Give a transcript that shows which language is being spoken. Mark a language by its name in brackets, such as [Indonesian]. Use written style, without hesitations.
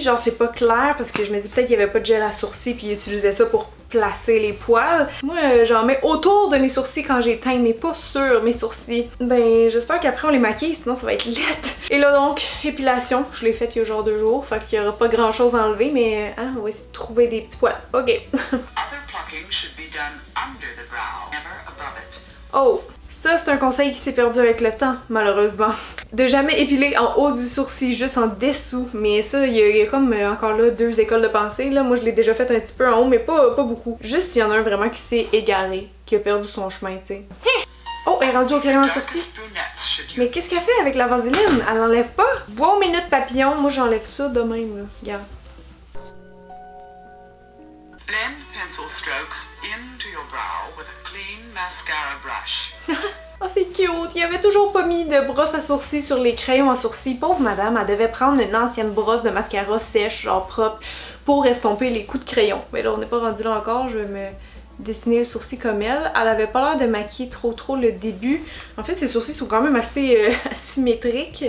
[French] Genre, c'est pas clair parce que je me dis peut-être qu'il y avait pas de gel à sourcils puis il utilisait ça pour placer les poils. Moi, j'en mets autour de mes sourcils quand j'éteins, mais pas sur mes sourcils. Ben, j'espère qu'après on les maquille, sinon ça va être laite. Et là donc, épilation. Je l'ai faite il y a genre deux jours, fait qu'il y aura pas grand chose à enlever, mais hein, on va essayer de trouver des petits poils. Ok. [English] Other plucking should be done under the brow, never above it. Oh! [French] Ça, c'est un conseil qui s'est perdu avec le temps, malheureusement. De jamais épiler en haut du sourcil, juste en dessous. Mais ça, il y a comme encore là deux écoles de pensée. Là, moi, je l'ai déjà fait un petit peu en haut, mais pas beaucoup. Juste s'il y en a un vraiment qui s'est égaré, qui a perdu son chemin, tu sais. Oh, elle est rendue au carré en sourcil. Mais qu'est-ce qu'elle fait avec la vaseline? Elle l'enlève pas? Bois aux minutes papillon, moi j'enlève ça de même, là. Regarde. [English] Blend pencil strokes into your brow with a clean mascara brush. [French] Oh, c'est cute! Il avait toujours pas mis de brosse à sourcils sur les crayons à sourcils. Pauvre madame, elle devait prendre une ancienne brosse de mascara sèche, genre propre, pour estomper les coups de crayon. Mais là, on n'est pas rendu là encore, je vais me dessiner le sourcil comme elle. Elle avait pas l'air de maquiller trop le début. En fait, ses sourcils sont quand même assez asymétriques.